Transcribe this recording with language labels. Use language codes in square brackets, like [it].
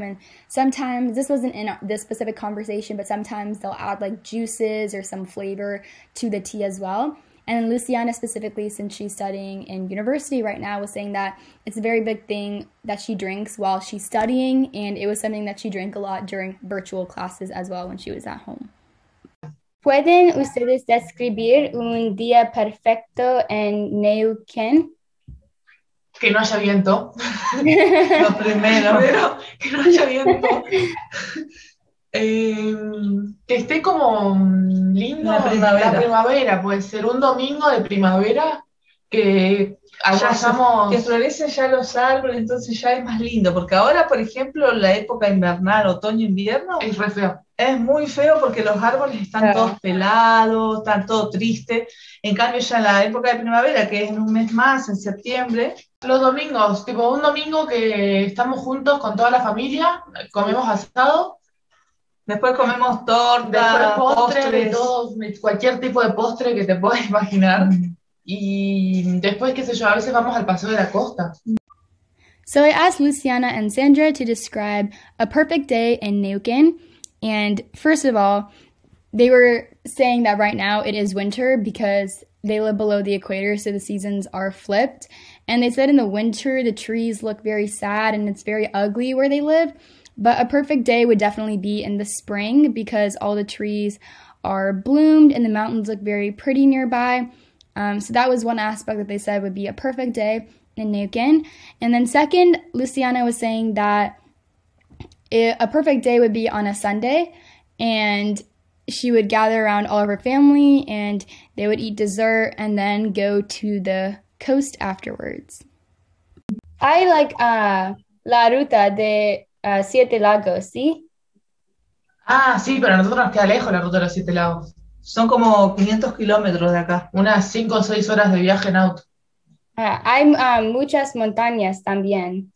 [en] And sometimes, this wasn't in this specific conversation, but sometimes they'll add like juices or some flavor to the tea as well. And Luciana specifically, since she's studying in university right now, was saying that it's a very big thing that she drinks while she's studying, and it was something that she drank a lot during virtual classes as well when she was at home. [es] ¿Pueden ustedes describir un día perfecto en Neuquén? Que no haya viento. Lo primero. Pero que no haya viento. que esté como lindo la primavera, puede ser un domingo de primavera que allá estamos, que florecen ya los árboles, entonces ya es más lindo, porque ahora por ejemplo la época invernal, otoño, invierno es re feo, es muy feo porque los árboles están todos pelados, están todos tristes. En cambio ya en la época de primavera, que es en un mes más, en septiembre, los domingos, tipo un domingo que estamos juntos con toda la familia, comemos asado. Después comemos torta, después postre, de todo, cualquier tipo de postre que te puedas imaginar. Y después, qué sé yo, a veces vamos al Paseo de la Costa. [en] So I asked Luciana and Sandra to describe a perfect day in Neuquén. And first of all, they were saying that right now it is winter because they live below the equator, so the seasons are flipped. And they said in the winter, the trees look very sad and it's very ugly where they live. But a perfect day would definitely be in the spring because all the trees are bloomed and the mountains look very pretty nearby. So that was one aspect that they said would be a perfect day in Neuquén. And then second, Luciana was saying that a perfect day would be on a Sunday, and she would gather around all of her family, and they would eat dessert and then go to the coast afterwards. I like [es] la ruta de Siete Lagos, ¿sí? Ah, sí, pero a nosotros nos queda lejos la ruta de los Siete Lagos. Son como 500 kilómetros de acá. Unas 5 o 6 horas de viaje en auto. Hay muchas montañas también.